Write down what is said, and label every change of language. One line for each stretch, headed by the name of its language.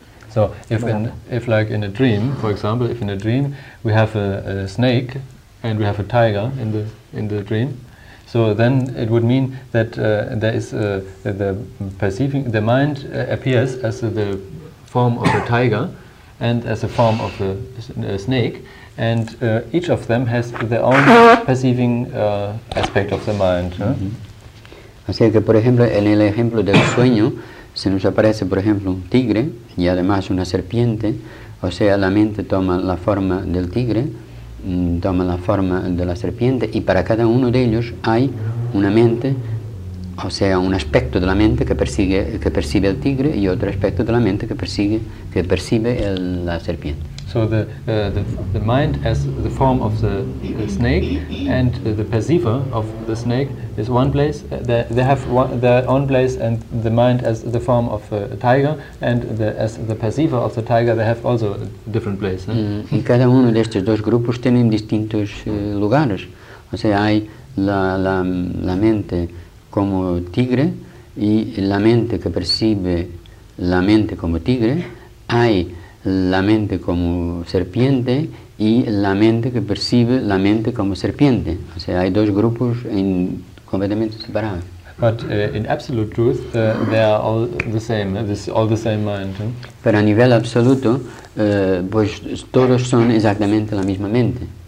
English: So if in a dream, for example, if in a dream we have a snake and we have a tiger in the dream, so then it would mean that there is the mind appears as the form of a tiger and as a form of a snake, and each of them has their own perceiving aspect of the mind.
Spanish: O sea que, por ejemplo, en el ejemplo del sueño, se nos aparece, por ejemplo, un tigre y además una serpiente, o sea, la mente toma la forma del tigre, toma la forma de la serpiente, y para cada uno de ellos hay una mente, o sea, un aspecto de la mente que percibe el tigre y otro aspecto de la mente que percibe la serpiente.
English: So the mind as the form of the snake, and the perceiver of the snake is one place. They have their own place, and the mind as the form of a tiger, and as the perceiver of the tiger, they have also a different place. No?
Spanish: Y cada uno de estos dos grupos tienen distintos lugares. O sea, hay la mente como tigre y la mente que percibe la mente como tigre. Hay la mente como serpiente y la mente que percibe la mente como serpiente. O sea, hay dos grupos completamente separados.
English: But in absolute truth, they are all the same. This all the same mind.
Spanish: Pero a nivel absoluto, pues todos son exactamente la misma mente.